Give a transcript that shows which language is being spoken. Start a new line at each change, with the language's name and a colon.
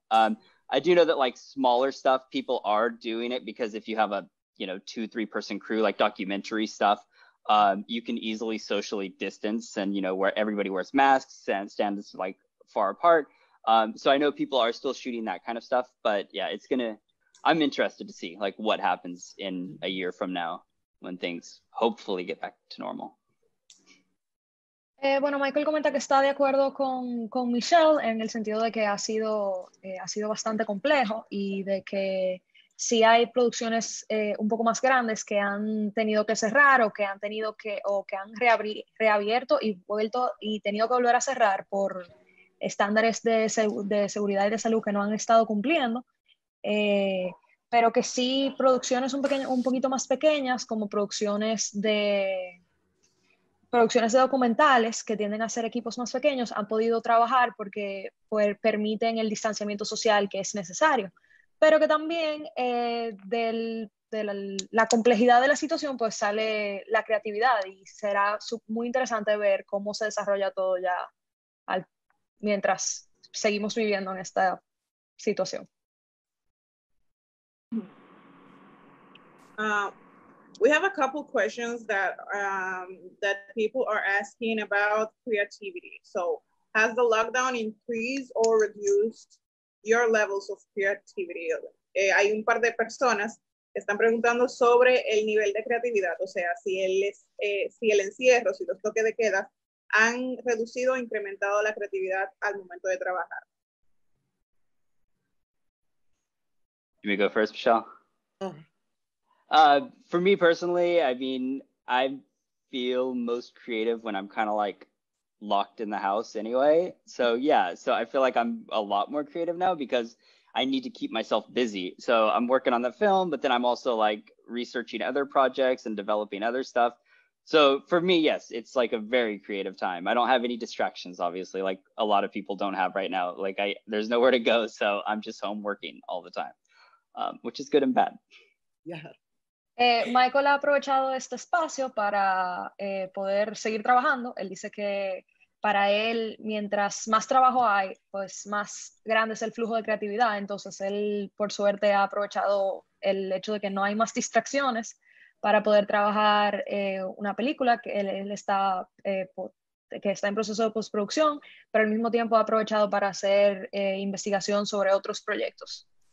English: I do know that like smaller stuff, people are doing it because if you have a, you know, 2-3 person crew, like documentary stuff, you can easily socially distance and, you know, where everybody wears masks and stands like far apart. So I know people are still shooting that kind of stuff. But yeah, it's going to. I'm interested to see like what happens in a year from now when things hopefully get back to normal.
Spanish: Bueno, Michael comenta que está de acuerdo con Michele en el sentido de que ha sido bastante complejo y de que si hay producciones un poco más grandes que han tenido que cerrar o que han tenido que o que han reabierto y vuelto y tenido que volver a cerrar por estándares de seguridad y de salud que no han estado cumpliendo. Pero que sí producciones un poquito más pequeñas como producciones de documentales que tienden a ser equipos más pequeños han podido trabajar porque permiten el distanciamiento social que es necesario, pero que también de la complejidad de la situación pues sale la creatividad y será muy interesante ver cómo se desarrolla todo ya mientras seguimos viviendo en esta situación.
English: We have a couple questions that that people are asking about creativity. So has the lockdown increased or reduced your levels of creativity?
Spanish: Hay un par de personas que están preguntando sobre el nivel de creatividad, o sea, si el encierro, si los toques de queda han reducido o incrementado la creatividad al momento de trabajar.
English: Can we go first, Michele? For me personally, I mean, I feel most creative when I'm kind of like locked in the house anyway. So yeah, so I feel like I'm a lot more creative now because I need to keep myself busy. So I'm working on the film, but then I'm also like researching other projects and developing other stuff. So for me, yes, it's like a very creative time. I don't have any distractions, obviously, like a lot of people don't have right now. Like there's nowhere to go. So I'm just home working all the time. Which is good and bad. Yeah.
Spanish: Michael ha aprovechado este espacio para poder seguir trabajando. Él dice que para él, mientras más trabajo hay, pues más grande es el flujo de creatividad. Entonces él, por suerte, ha aprovechado el hecho de que no hay más distracciones para poder trabajar una película que él está que está en proceso de postproducción, pero al mismo tiempo ha aprovechado para hacer investigación sobre otros proyectos.